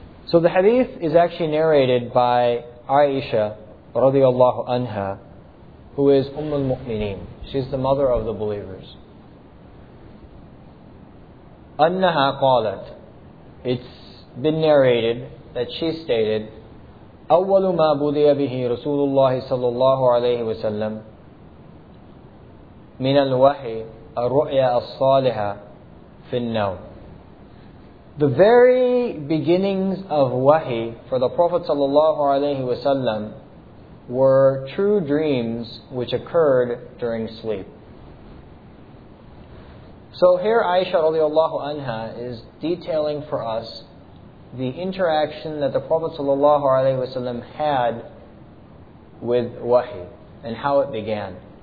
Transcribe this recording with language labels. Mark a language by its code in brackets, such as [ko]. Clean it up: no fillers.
[en] So the hadith is actually narrated by Aisha radiallahu anha, who is Ummul Mu'mineen. She's the mother of the believers. [ar] Annaha qalat. [en] It's been narrated that she stated, [ar] أول ما بُدِي به رسول الله صلى الله عليه وسلم من الوحي الرؤيا الصالحة في النوم. [en] The very beginnings of wahi for the Prophet صلى الله عليه وسلم were true dreams which occurred during sleep. So here Aisha رضي الله عنها is detailing for us the interaction that the Prophet ﷺ had with wahi and how it began.